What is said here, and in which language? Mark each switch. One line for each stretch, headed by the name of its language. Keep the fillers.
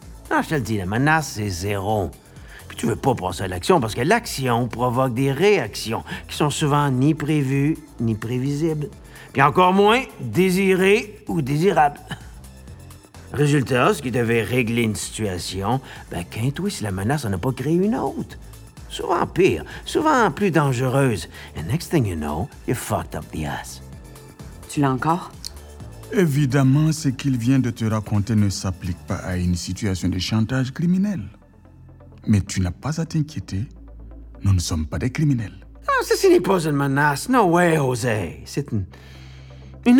French: Non, je te le dis, la menace, c'est zéro. Puis tu veux pas passer à l'action parce que l'action provoque des réactions qui sont souvent ni prévues ni prévisibles. Puis encore moins désirées ou désirables. Résultat, ce qui devait régler une situation, ben, qu'un si la menace n'a pas créé une autre. Souvent pire, souvent plus dangereuse.
English: And next thing you know, you fucked up the ass.
French: Tu l'as encore Évidemment, ce qu'il vient de te raconter ne s'applique pas à une situation de chantage criminel. Mais tu n'as pas à t'inquiéter. Nous ne sommes pas des criminels. Oh, ceci n'est pas, pas une menace. Non, ouais, José. C'est une... une...